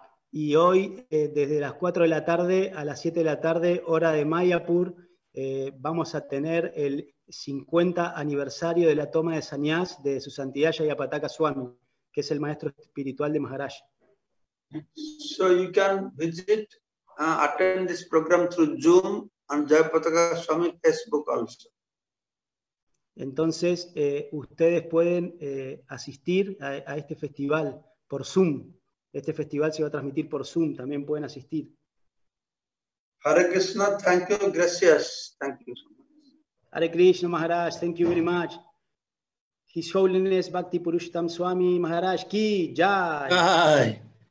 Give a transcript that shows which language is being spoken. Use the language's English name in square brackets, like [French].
[Spanish] Y hoy, desde las 4 de la tarde a las 7 de la tarde, hora de Mayapur, vamos a tener el 50 aniversario de la toma de sannyas de su santidad Jayapataka Swami, que es el maestro espiritual de Maharaj. [English] So you can visit, attend this program through Zoom and Jayapataka Swami Facebook also. [Spanish] Entonces, ustedes pueden asistir a este festival por Zoom. Este festival se va a transmitir por Zoom, también pueden asistir. [English] Hare Krishna, thank you, [Spanish] gracias, [English] thank you so much. Hare Krishna Maharaj, thank you very much. His Holiness Bhakti Purushottam Swami Maharaj Ki Jai.